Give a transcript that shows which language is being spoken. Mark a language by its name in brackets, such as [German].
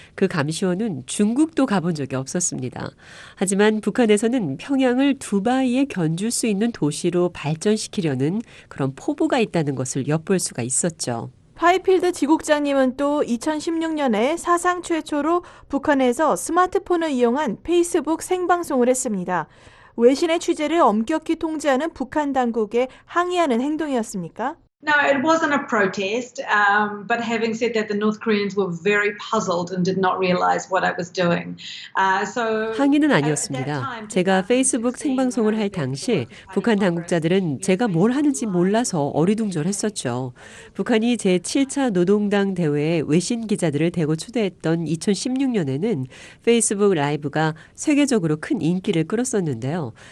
[Korean] 그 감시원은 중국도 가본 적이 없었습니다. 하지만 북한에서는 평양을 두바이에 견줄 수 있는 도시로 발전시키려는 그런 포부가 있다는 것을 엿볼 수가 있었죠. 파이필드 지국장님은 또 2016년에 사상 최초로 북한에서 스마트폰을 이용한 페이스북 생방송을 했습니다. 외신의 취재를 엄격히 통제하는 북한 당국에 항의하는 행동이었습니까? [English] No, it wasn't a protest. But having said that, the North Koreans were very puzzled and did not realize what I was doing. So [Korean] 항의는 아니었습니다. 제가 페이스북 생방송을 할 당시 북한 당국자들은 제가 뭘 하는지 몰라서 어리둥절했었죠. 북한이 제 7차 노동당 대회에 외신 기자들을 대거 초대했던 2016년에는 페이스북 라이브가 세계적으로 큰 인기를 끌었었는데요.